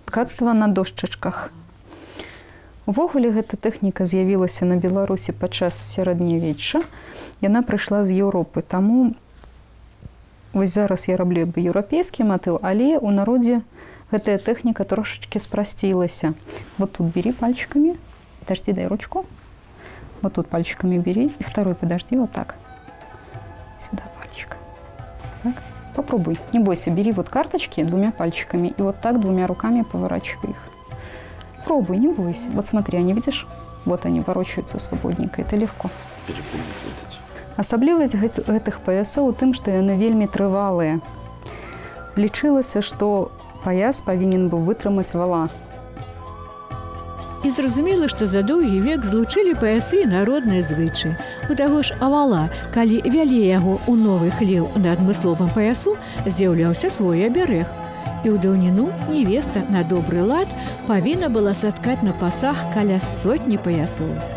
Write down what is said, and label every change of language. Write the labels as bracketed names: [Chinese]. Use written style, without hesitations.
[Belarusian] Ткацтва на дошчачках. Увогуле гэта тэхніка з'явілася на Беларусі падчас сярэднявечча. Яна прыйшла з Еўропы, таму вось зараз я раблю бы еўрапейскі матыў, але ў народзе гэтая тэхніка трошачкі спрасцілася. [Russian] Вот тут бери пальчыкамі. Подожди, дай ручку. Вот тут пальчиками бери. И второй подожди, вот так. Сюда пальчик. Так. Попробуй, не бойся, бери вот карточки двумя пальчиками. И вот так двумя руками поворачивай их. Пробуй, не бойся. Вот смотри, они видишь? Вот они ворочаются свободненько, это легко. [Belarusian] Особливость гэтых поясов у тым, что яны вельмі трывалые. Лічылася, что пояс повинен был вытрымаць вала. І зразумела, што за доўгі век злучылі паясы народныя звычы. У таго ж авала, калі вялі яго ў новы хлеў на адмысловым паясу, з'яўляўся свой абярэг. І ў даўніну невеста на добры лад павінна была саткаць на пасах каля сотні паясоў.